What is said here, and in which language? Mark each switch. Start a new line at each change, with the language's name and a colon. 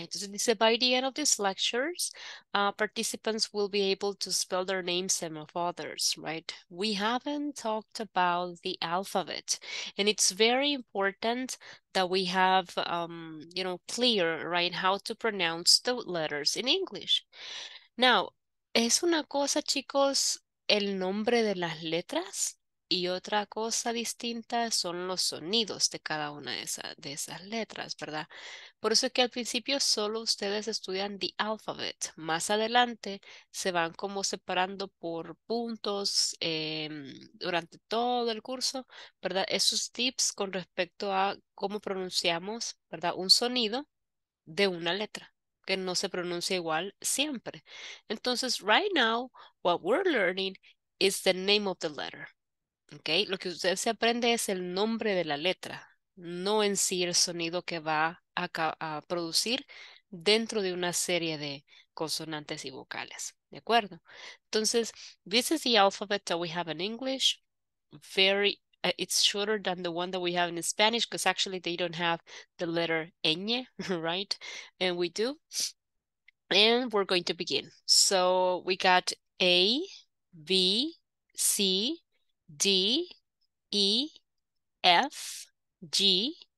Spanish: Entonces dice,
English: by the end of these lectures, participants will be able to spell their names and of others, right? We haven't talked about the alphabet, and it's very important that we have, you know, clear, right, how to pronounce the letters in English.
Spanish: Now, es una cosa, chicos, el nombre de las letras, y otra cosa distinta son los sonidos de cada una de esas letras, ¿verdad? Por eso es que al principio solo ustedes estudian
English: the alphabet.
Spanish: Más adelante se van como separando por puntos durante todo el curso, ¿verdad? Esos tips con respecto a cómo pronunciamos, ¿verdad? Un sonido de una letra, que no se pronuncia igual siempre.
English: Entonces, right now, what we're learning is the name of the letter.
Spanish: Okay, lo que usted se aprende es el nombre de la letra, no en sí el sonido que va a producir dentro de una serie de consonantes y vocales, ¿de acuerdo?
English: Entonces, this is the alphabet that we have in English. Very, it's shorter than the one that we have in Spanish, because actually they don't have the letter ñ, right? And we do. And we're going to begin. So, we got A, B, C, D, E, F, G,